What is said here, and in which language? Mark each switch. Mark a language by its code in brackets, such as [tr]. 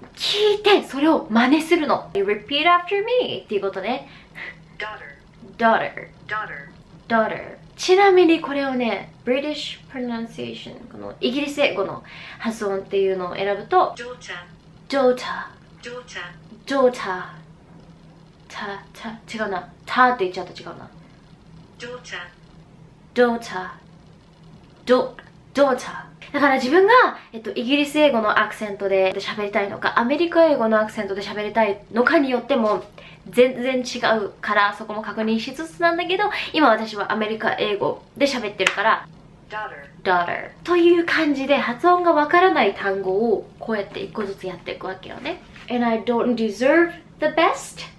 [ja] 聞いて、それを真似するの。 [en] You repeat after me! [ja] っていうことね。 [en] Daughter. Daughter. Daughter. [ja] ちなみにこれをね、British pronunciation、このイギリス英語の発音っていうのを選ぶと、 [en] daughter、 daughter、daughter、 [ja] た、た、違うな、たって言っちゃった、違うな、 [en] daughter、 daughter、daughter。 [ja] だから自分がイギリス英語のアクセントで喋りたいのか、アメリカ英語のアクセントで喋りたいのかによっても。全然違うからそこも確認しつつなんだけど、今私はアメリカ英語で喋ってるから [en] daughter [ja] という感じで、発音がわからない単語をこうやって一個ずつやっていくわけよね。 [en] And I don't deserve the best.